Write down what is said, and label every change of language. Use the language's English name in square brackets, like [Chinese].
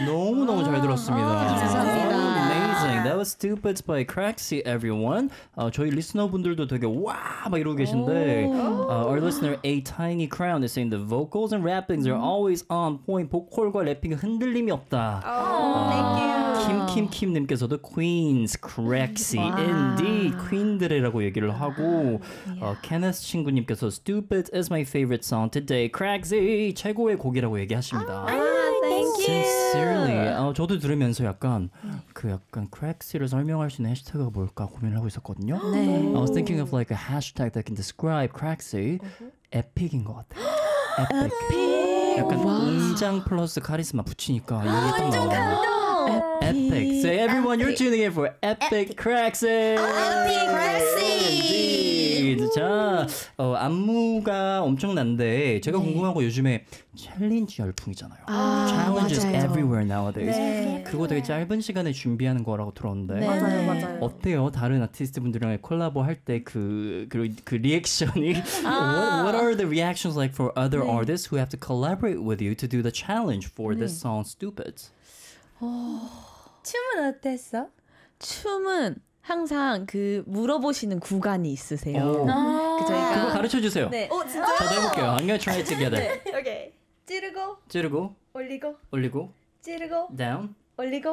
[Korean] 너무 너무 잘 들었습니다. 감사합니다. [English] That was Stupid by Craxy, everyone. [Korean] 저희 리스너 분들도 되게 와 막 이러고 계신데. [English] Our listener A Tiny Crown is saying the vocals and rappings are always on point. [Korean] 보컬과 래핑 흔들림이 없다. [English] Thank you. [Korean] 김김김님께서도 Queens, Craxy, indeed, Queen들이라고 얘기를 하고. [English] Kenneth 친구님께서 Stupid is my favorite song today. [Korean] Craxy 최고의 곡이라고 얘기하십니다. Sincerely, 저도 들으면서 약간 그 약간 Craxy를 설명할 수 있는 해시태그가 뭘까 고민을 하고 있었거든요. 네. [English] I was thinking of like a hashtag that can describe Craxy. [Korean] Epic인 것 같아. [English] Epic. [Korean] 약간 인장 플러스 카리스마 붙이니까 이게 딱 나와. [English] Epic. Say everyone, epic. You're tuning in for Epic Cracks. Epic Cracks. [Korean] 자, 안무가 엄청난데 제가 네. 궁금한 거 요즘에 챌린지 열풍이잖아요. 아, [English] Challenges [Korean] 맞아요. [English] everywhere nowadays. 네. [Korean] 그거 되게 짧은 시간에 준비하는 거라고 들었는데 네. 맞아요, 맞아요. 어때요? 다른 아티스트 분들이랑 콜라보 할 때 그 리액션이 아. [English] What are the reactions like for other 네. artists who have to collaborate with you to do the challenge for 네. this song, Stupid? [Korean] 춤은 어땠어? 춤은 항상 그 물어보시는 구간이 있으세요. 저희가 그거 가르쳐 주세요. 네. 오, 진짜? 저도 해볼게요. [English] I'm gonna try it together. [Korean] 네. 오케이. 찌르고. 찌르고. 올리고. 올리고. 찌르고. [English] Down. [Korean] 올리고.